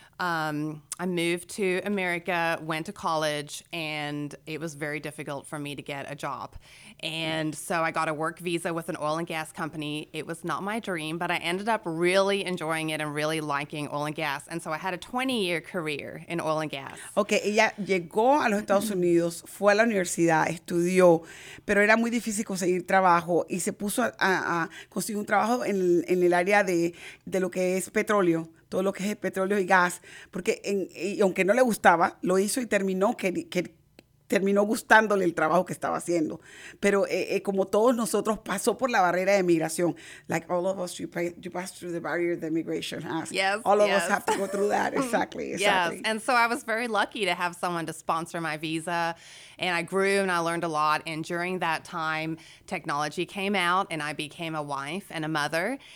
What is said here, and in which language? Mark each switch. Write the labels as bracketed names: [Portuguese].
[English] I moved to America, went to college, and it was very difficult for me to get a job. And so I got a work visa with an oil and gas company. It was not my dream, but I ended up really enjoying it and really liking oil and gas. And so I had a 20-year career in oil and gas. [Spanish] Okay, ella llegó a los Estados Unidos, fue a la universidad, estudió, pero era muy difícil conseguir trabajo y se puso a conseguir un trabajo en el área de lo que es petróleo. Todo lo que es petróleo y gas, porque y aunque no le gustaba, lo hizo y terminó que terminó gustándole el trabajo que estaba haciendo. Pero como todos nosotros, pasó por la barrera de migración. [English] Like all of us, you pass through the barrier that migration has. Yes, all of yes. us have to go through that. Exactly, exactly. Yes, and so I was very lucky to have someone to sponsor my visa. And I grew and I learned a lot. And during that time, technology came out and I became a wife and a mother.